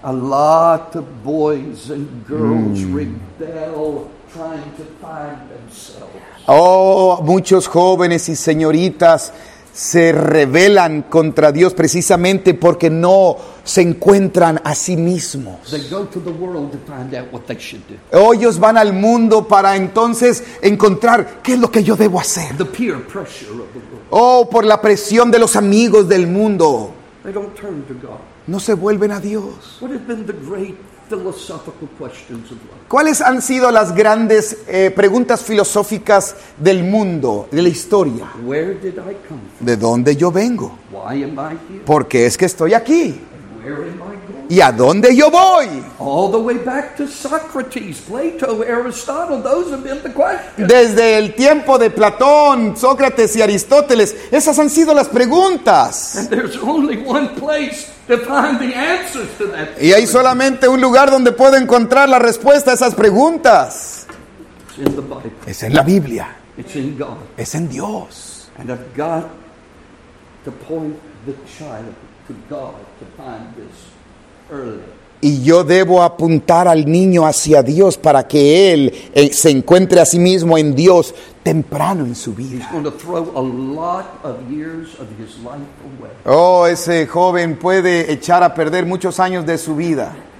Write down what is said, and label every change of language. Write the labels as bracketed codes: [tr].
[en] A lot of boys and girls rebel trying to find themselves. [es] Oh, muchos jóvenes y señoritas se rebelan contra Dios precisamente porque no se encuentran a sí mismos. [en] They go to the world to find out what they should do. [es] O ellos van al mundo para entonces encontrar qué es lo que yo debo hacer. [en] The peer pressure of the world. [es] Oh, por la presión de los amigos del mundo. [en] They don't turn to God. [es] No se vuelven a Dios. [en] What have been the great philosophical questions of life? [es] ¿Cuáles han sido las grandes preguntas filosóficas del mundo, de la historia? [en] Where did I come from? [es] ¿De dónde yo vengo? [en] Why am I here? [es] ¿Por qué es que estoy aquí? [en] Where am I going? [es] ¿Y a dónde yo voy? [en] All the way back to Socrates, Plato, Aristotle, those have been the questions. [es] Desde el tiempo de Platón, Sócrates y Aristóteles, esas han sido las preguntas. [en] And there's only one place to find the answers to that. [es] Y hay solamente un lugar donde puedo encontrar la respuesta a esas preguntas. [en] It's in the Bible. [es] Es en la Biblia. [en] It's in God. [es] Es en Dios. [en] And I've got to point the child to God to find this. [es] Y yo debo apuntar al niño hacia Dios para que él se encuentre a sí mismo en Dios temprano en su vida. [en] He's going to throw a lot of years of his life away. [es] Oh, ese joven puede echar a perder muchos años de su vida.